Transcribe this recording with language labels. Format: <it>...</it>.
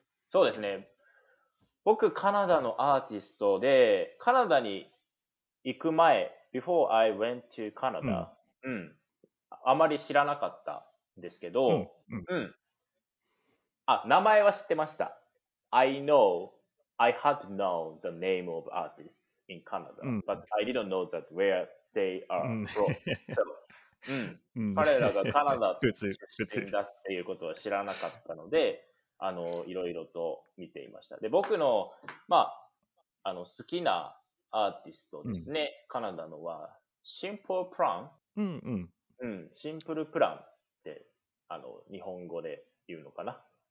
<ja>そうですね。僕、カナダのアーティストで、カナダに行く前、</ja> <en>before I went to Canada、</en> <ja>うん、あまり知らなかったんですけど、うん。あ、名前は知ってました。</ja> <en>I know, I had known the name of artists in Canada,、</en> <ja>うん、</ja> <en>but I didn't know that where they are from.</en> <ja>彼らがカナダ出身だっていうことは知らなかったので、いろいろと見ていました。で、僕の、まあ、好きなアーティストですね、うん、カナダのは、シンプルプラン。シンプルプランって、日本語で言うのかな。</ja>